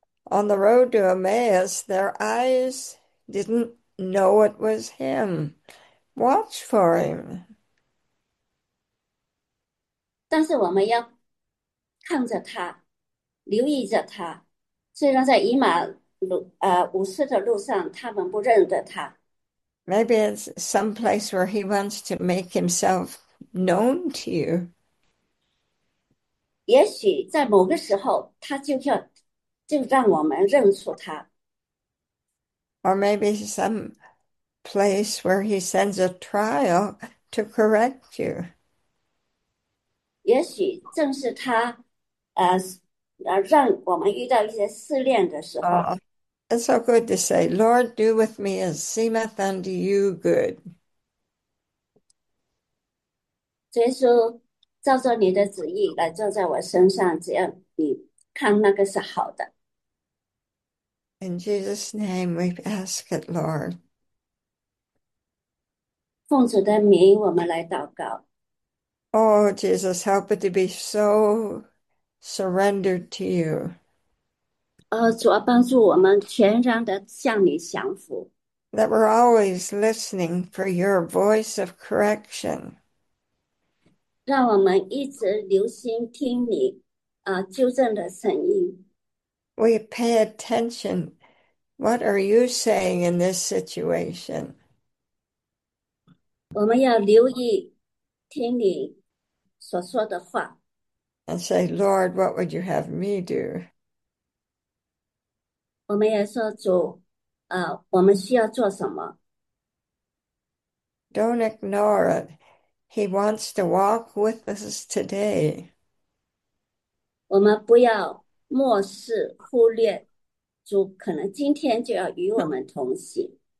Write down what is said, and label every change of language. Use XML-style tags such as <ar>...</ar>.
<en>On the road to Emmaus, their eyes didn't know it was him. Watch for him.</en> <zh>但是我们要看着他，留意着他。虽然在以马路五四的路上，他们不认得他。</zh> <en>Maybe it's some place where he wants to make himself known to you.</en> <zh>也许在某个时候，他就让我们认出他。</zh> <en>Or maybe some place where he sends a trial to correct you.</en> <zh>也许正是他，让我们遇到一些试炼的时候，</zh> <en>It's so good to say, Lord, do with me as seemeth unto you good.</en> <zh>耶稣照着你的旨意来做在我身上，只要你看那个是好的。</zh> <en>In Jesus' name, we ask it, Lord.</en> <zh>奉主的名，我们来祷告。</zh> <en>Oh, Jesus, help it to be so surrendered to you.</en> <zh>主要帮助我们全然的向你降服。</zh> <en>That we're always listening for your voice of correction.</en> <zh>让我们一直留心听你，纠正的声音。</zh> <en>We pay attention. What are you saying in this situation?</en> <zh>我们要留意听你所说的话。</zh> <en>And say, Lord, what would you have me do?</en> <zh>我们也说主，我们需要做什么？</zh> <en>Don't ignore it. He wants to walk with us today.</en> <zh>我们不要漠视忽略，主可能今天就要与我们同行。</zh>